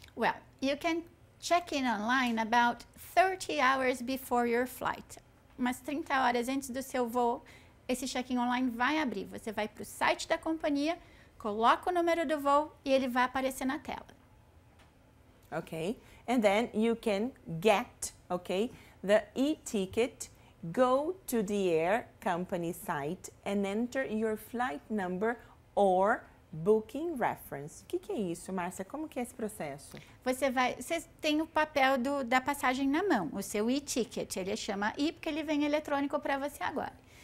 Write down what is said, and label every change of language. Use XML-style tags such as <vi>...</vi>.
<en>Well, you can check in online about 30 hours before your flight.</en> <pt>Umas 30 horas antes do seu voo, esse check-in online vai abrir. Você vai para o site da companhia, coloca o número do voo e ele vai aparecer na tela. Ok.</pt> <en>And then you can get, ok, the e-ticket, go to the air company site and enter your flight number or booking reference.</en> <pt>O que, que é isso, Márcia? Como que é esse processo? Você tem o papel da passagem na mão, o seu e-ticket. Ele chama e porque ele vem eletrônico para você agora.</pt>